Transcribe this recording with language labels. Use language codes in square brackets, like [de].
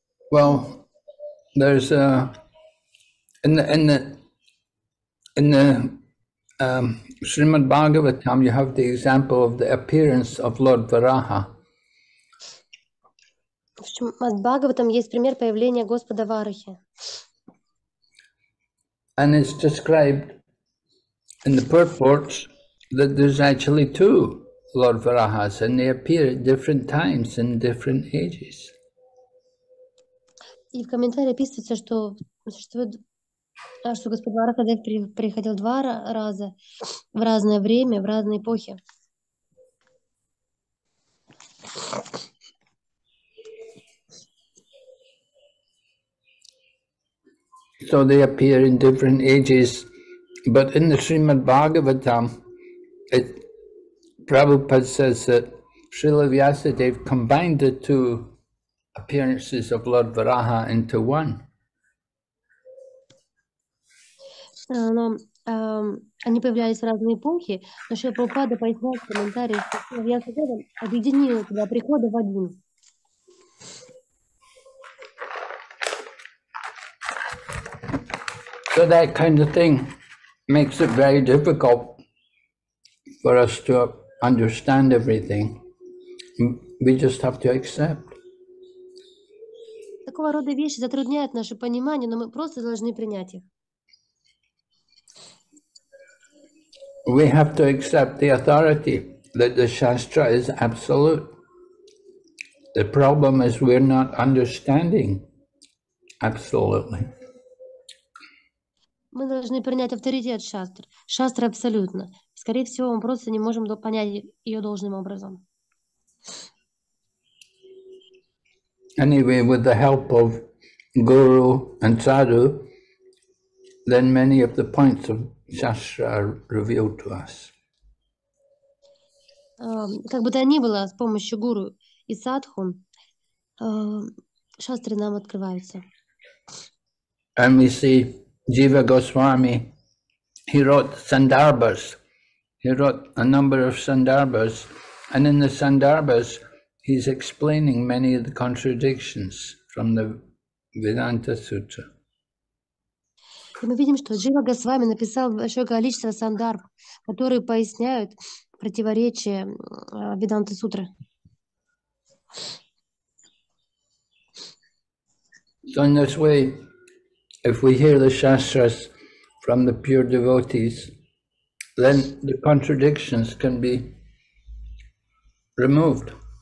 [en] Well, there's in the Srimad Bhagavatam, you have the example of the appearance of Lord Varaha. [ru] В Шримад Бхагаватам есть пример появления Господа Варахи. [en] And it's described in the purports that there's actually two Lord Varahas, and they appear at different times in different ages. [ru] И в комментарии описывается, что существует, что Господь Варах приходил два раза в разное время, в разные эпохи. [en] So they appear in different ages, but in the Srimad Bhagavatam, Prabhupada says that Srila Vyasadeva combined the two appearances of Lord Varaha into one. [ru] Но они появлялись в разные эпохи, но Шрила Прабхупада пояснял в комментариях, что Вьясадева объединила два прихода в один. [en] So that kind of thing makes it very difficult for us to understand everything. We just have to accept. [ru] Такого рода вещи затрудняют наше понимание, но мы просто должны принять их. [en] We have to accept the authority that the Shastra is absolute. The problem is we're not understanding absolutely. [ru] Мы должны принять авторитет Шастр. Шастра абсолютно. Скорее всего, мы просто не можем понять ее должным образом. [en] Anyway, with the help of Guru and Sadhu, then many of the points of Shastra revealed to us. [ru] Как бы то ни было, с помощью Гуру и Садху, Шастры нам открываются. [en] And we see Jiva Goswami, he wrote Sandarbhas. He wrote a number of Sandarbhas, and in the Sandarbhas, he's explaining many of the contradictions from the Vedanta Sutra. [ru] И мы видим, что Джива Госвами написал большое количество сандарб, которые поясняют противоречия Веданта Сутры. [en] So in this way, if we hear the Shastras from the pure devotees, then the contradictions can be removed.